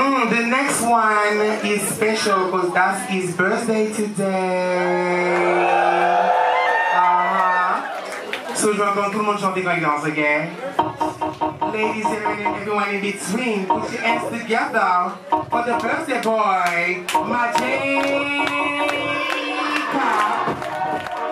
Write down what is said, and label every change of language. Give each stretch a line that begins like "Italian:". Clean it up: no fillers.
English: The next one is special because that's his birthday today.
French: So je vais entendre tout le monde chanter quand il danse again.
English: Ladies and everyone in between, put your hands together for the birthday boy, Majeka.